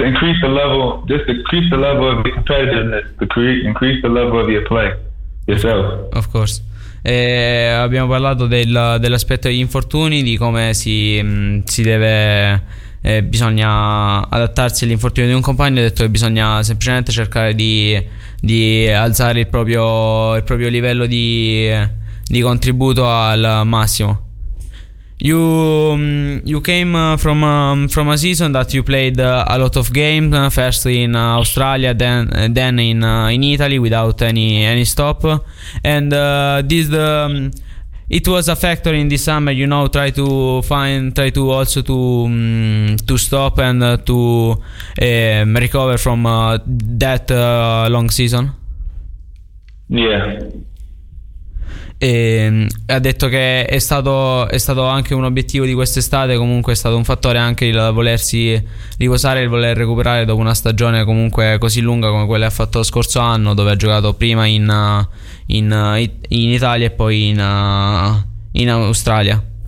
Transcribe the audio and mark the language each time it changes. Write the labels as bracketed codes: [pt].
[en] Increase the level of your competitiveness, increase the level of your play yourself. Of course. [it] E abbiamo parlato dell'aspetto degli infortuni, di come si deve. Bisogna adattarsi all'infortunio di un compagno. Ho detto che bisogna semplicemente cercare di alzare il proprio livello di contributo al massimo. [en] You came from a season that you played a lot of games, first in Australia, then in Italy without any stop, and it was a factor in this summer, try to stop and to recover from that long season. Yeah. [it] E ha detto che è stato anche un obiettivo di quest'estate, comunque è stato un fattore anche il volersi riposare, il voler recuperare dopo una stagione comunque così lunga come quella che ha fatto lo scorso anno, dove ha giocato prima in Italia e poi in Australia.